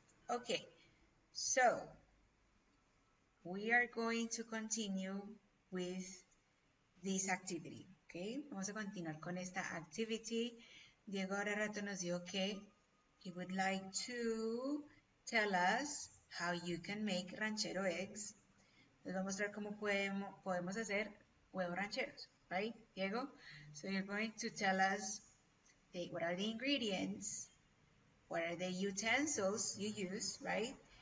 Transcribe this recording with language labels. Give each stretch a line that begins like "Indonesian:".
English: Okay, so we are going to continue with this activity, okay?
Spanish: Vamos a continuar con esta
English: activity. Diego
Spanish: ahora rato nos dijo que
English: he would like to tell us how you can make ranchero eggs.
Spanish: Les voy a mostrar cómo podemos hacer huevos rancheros, right, Diego?
English: So you're going to tell us what are the ingredients, what are the utensils you use, right?